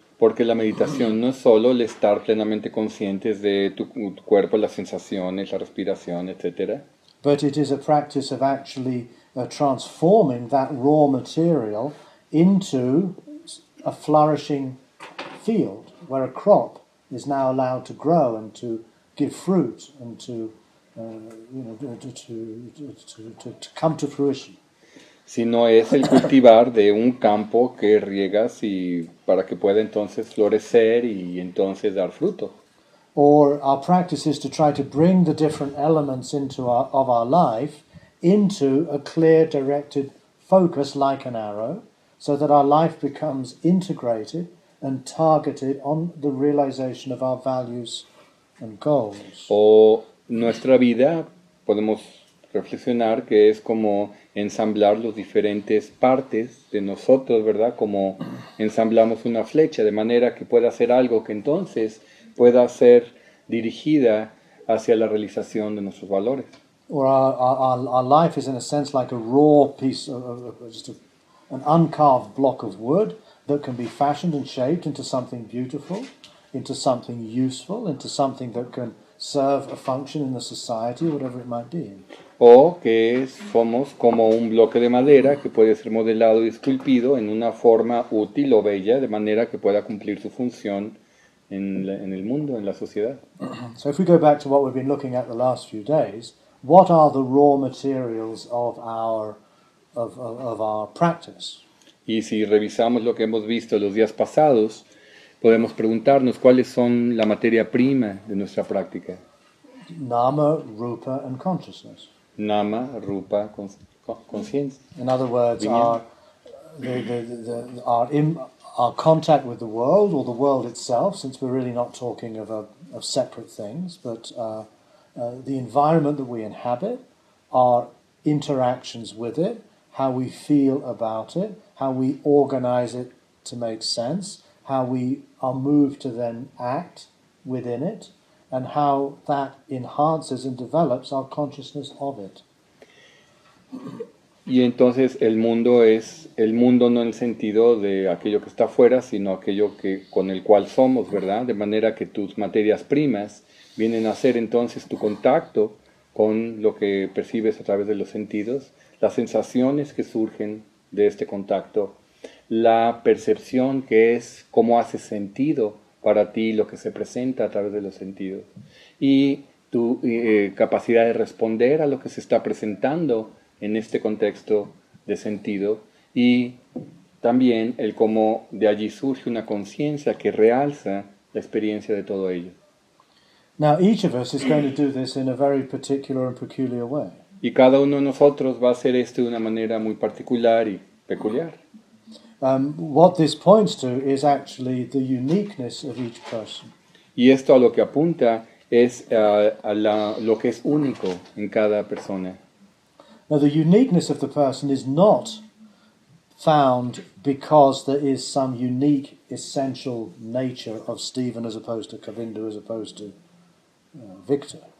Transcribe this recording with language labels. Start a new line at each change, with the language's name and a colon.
Spanish: Porque la meditación no es solo el estar plenamente conscientes de tu cuerpo, las sensaciones, la respiración, etc.
English: But it is a practice of actually transforming that raw material into a flourishing field where a crop is now allowed to grow and to give fruit and to to come to fruition.
Spanish: Sino es el cultivar de un campo que riegas y para que pueda entonces florecer y entonces dar fruto.
English: Or our practice is to try to bring the different elements of our life into a clear directed focus like an arrow, so that our life becomes integrated and targeted on the realization of our values and goals.
Spanish: Nuestra vida, podemos reflexionar que es como ensamblar las diferentes partes de nosotros, ¿verdad? Como ensamblamos una flecha, de manera que pueda ser algo que entonces pueda ser dirigida hacia la realización de nuestros valores.
English: Our life is in a sense like a raw piece, just an uncarved block of wood, that can be fashioned and shaped into something beautiful, into something useful, into something that can serve a function in the society, whatever it might be.
Spanish: O que somos como un bloque de madera que puede ser modelado y esculpido en una forma útil o bella, de manera que pueda cumplir su función en el mundo, en la sociedad.
English: So if we go back to what we've been looking at the last few days, what are the raw materials of our practice?
Spanish: Y si revisamos lo que hemos visto los días pasados, podemos preguntarnos cuáles son la materia prima de nuestra práctica.
English: Nama, Rupa and Consciousness.
Spanish: Nama, Rupa, conciencia.
English: In other words, our contact with the world or the world itself, since we're really not talking of separate things, but the environment that we inhabit, our interactions with it, how we feel about it, how we organize it to make sense, how we are moved to then act within it, and how that enhances and develops our consciousness of it.
Spanish: Y entonces el mundo es el mundo no en el sentido de aquello que está afuera, sino aquello que con el cual somos, ¿verdad? De manera que tus materias primas vienen a ser entonces tu contacto con lo que percibes a través de los sentidos, las sensaciones que surgen de este contacto, la percepción que es cómo hace sentido para ti lo que se presenta a través de los sentidos y tu capacidad de responder a lo que se está presentando en este contexto de sentido y también el cómo de allí surge una conciencia que realza la experiencia de todo ello.
English: Now each of us is going to do this in a very particular and peculiar way.
Spanish: Y cada uno de nosotros va a hacer esto de una manera muy particular y peculiar.
English: What this points to is actually the uniqueness of each person.
Spanish: Y esto a lo que apunta es lo que es único en cada persona.
English: Now the uniqueness of the person is not found because there is some unique essential nature of Stephen as opposed to Kavindu as opposed to Victor.